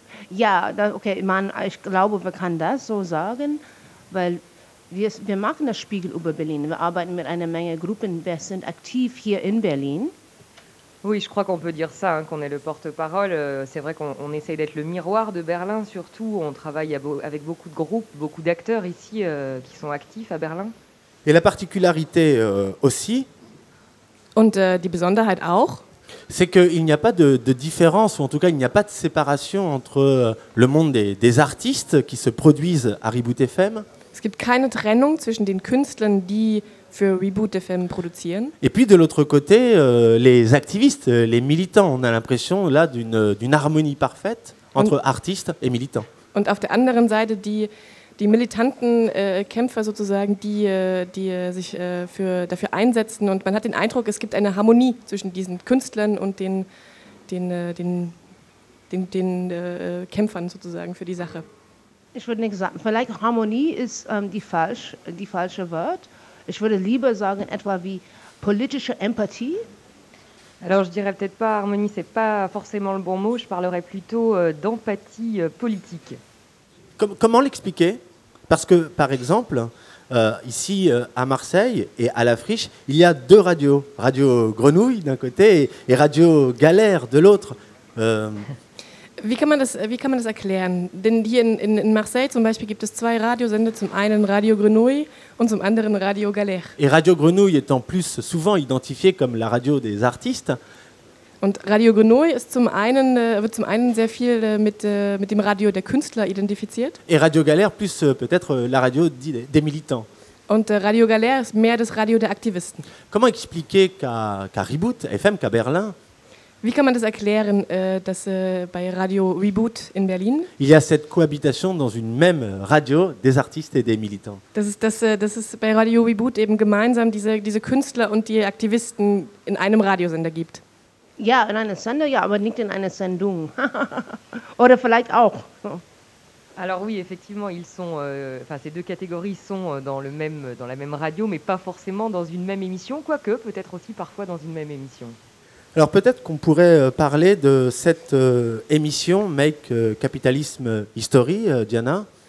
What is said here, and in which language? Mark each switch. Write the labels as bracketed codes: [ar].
[de] Ja, okay, ich glaube, man kann das so sagen, weil wir machen das Spiegel über Berlin. Wir arbeiten mit einer Menge Gruppen, wir sind aktiv hier in Berlin. [fr] Oui, je crois qu'on peut dire ça, hein, qu'on est le porte-parole. C'est vrai qu'on essaye d'être le miroir de Berlin, surtout. On travaille avec beaucoup de groupes, beaucoup d'acteurs ici qui sont actifs à Berlin. Et la particularité aussi. [de] Und die Besonderheit auch. [fr] C'est qu'il n'y a pas de différence, ou en tout cas, il n'y a pas de séparation entre le monde des artistes qui se produisent à Reboot FM. [de] Es gibt keine Trennung zwischen den Künstlern, die für Reboot FM produzieren. [fr] Et puis de l'autre côté, les activistes, les militants, on a l'impression là d'une harmonie parfaite entre artistes et militants. [de] Und auf der anderen Seite die militanten Kämpfer sozusagen, die sich dafür einsetzen, und man hat den Eindruck, es gibt eine Harmonie zwischen diesen Künstlern und den Kämpfern sozusagen für die Sache. Ich würde nicht sagen, vielleicht Harmonie ist die falsche Wort. Ich würde lieber sagen etwa wie politische Empathie. [fr] Alors je dirais peut-être pas harmonie, c'est pas forcément le bon mot. Je parlerais plutôt d'empathie politique. Comment l'expliquer? Parce que, par exemple, ici à Marseille et à La Friche, il y a deux radios. Radio Grenouille d'un côté et Radio Galère de l'autre. [de] Wie kann man das erklären? Denn hier in Marseille zum Beispiel gibt es zwei Radiosender, zum einen Radio Grenouille und zum anderen Radio Galère. [fr] Et Radio Grenouille est en plus souvent identifiée comme la radio des artistes. [de] Und Radio Grenouille ist wird zum einen sehr viel mit dem Radio der Künstler identifiziert. [fr] Et Radio Galère plus peut-être la radio des militants. [de] Und Radio Galère ist mehr das Radio der Aktivisten. [fr] Comment expliquer qu'à Reboot FM qu'à Berlin? [de] Wie kann man das erklären, dass bei Radio Reboot in Berlin? [fr] Il y a cette cohabitation dans une même radio des artistes et des militants. [de] Dass es bei Radio Reboot eben gemeinsam diese Künstler und die Aktivisten in einem Radiosender gibt. Ja, in einer Sendung, ja, aber nicht in einer Sendung. Oder vielleicht auch. [fr] Alors oui, effectivement, ils sont, ces deux catégories sont dans la même radio, mais pas forcément dans une même émission, quoique peut-être aussi parfois dans une même émission. Alors peut-être qu'on pourrait parler de cette émission Make Capitalism History, Diana.